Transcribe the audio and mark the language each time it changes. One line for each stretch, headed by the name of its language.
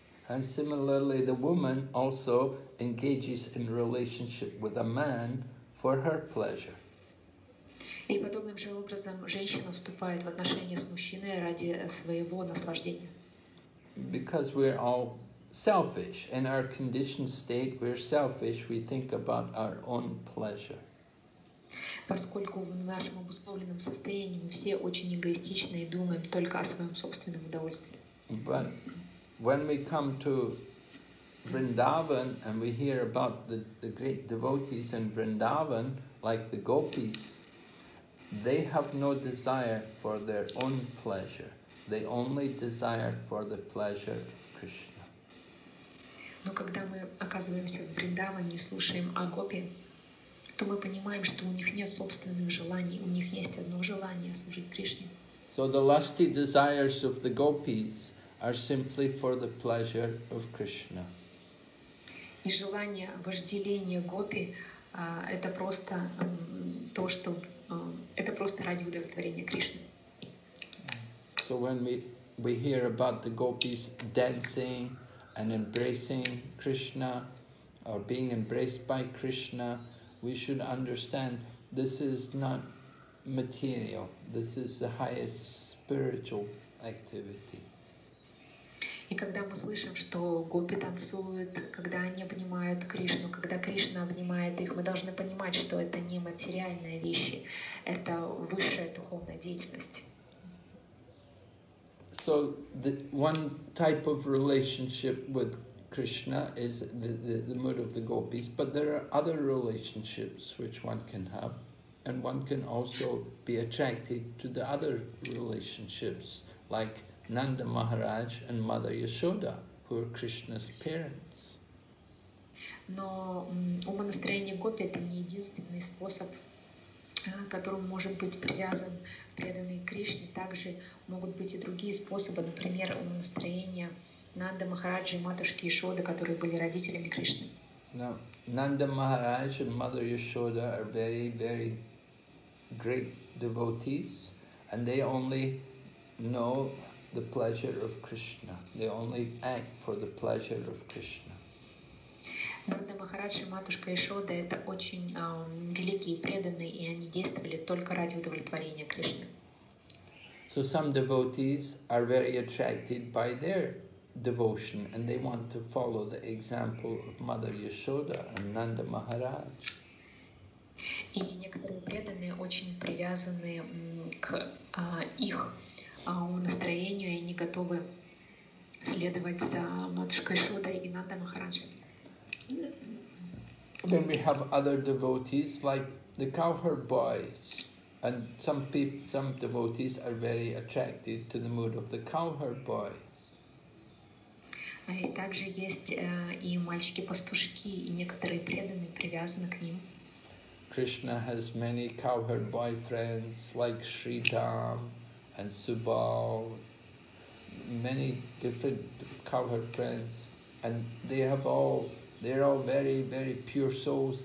English: And similarly, the woman also engages in relationship with a man for her pleasure.
Russian: И подобным же образом женщина вступает в отношения с мужчиной ради своего наслаждения.
English: Because we're all selfish. In our conditioned state, we're selfish. We think about our own pleasure.
Russian: Поскольку в нашем обусловленном состоянии мы все очень эгоистичны и думаем только о своем собственном удовольствии.
English: But when we come to Vrindavan and we hear about the great devotees in Vrindavan, like the gopis, they have no desire for their own pleasure. They only desire for the pleasure of Krishna.
Russian: Но когда мы оказываемся в Вриндаване и слушаем о гопи, то мы понимаем, что у них нет собственных желаний, у них есть одно желание — служить Кришне.
English: So the lusty desires of the gopis are simply for the pleasure of Krishna.
Russian: И желание, вожделение гопи, это просто то, что это просто ради удовлетворения Кришны.
English: So when we hear about the gopis dancing and embracing Krishna or being embraced by Krishna, we should understand this is not material. This is the highest spiritual activity.
Russian: И когда мы слышим, что гопи танцуют, когда они обнимают Кришну, когда Кришна обнимает их, мы должны понимать, что это не материальные вещи, это высшая духовная деятельность.
English: So the one type of relationship with Krishna is the mood of the gopis, but there are other relationships which one can have, and one can also be attracted to the other relationships, like Nanda Maharaj and Mother Yashoda, who are Krishna's parents.
Russian: Но умонастроение гопи — это не единственный способ, которым может быть привязан преданный Кришне. Также могут быть и другие способы, например, умонастроение Нанда Махараджа и матушки Ишоды, которые были родителями Кришны.
English: No, Nanda Maharaj and Mother Yashoda are very, very great devotees, and they only know the pleasure of Krishna. They only act for the pleasure of Krishna.
Russian: Нанда Махараджа и матушка Ишода — это очень великие преданные, и они действовали только ради удовлетворения Кришны.
English: So some devotees are very attracted by their devotion, and they want to follow the example of Mother Yashoda and Nanda Maharaj.
Russian: И некоторые преданные очень привязаны к их настроению, и они готовы следовать за матушкой Ишодой и Нанда Махараджа.
English: Then we have other devotees like the cowherd boys, and some devotees are very attracted to the mood of the cowherd boys.
Russian: И также есть и мальчики-пастушки, и некоторые преданные привязаны к ним.
English: Krishna has many cowherd boyfriends like Sridham and Subal, many different cowherd friends, and they're all very, very pure souls.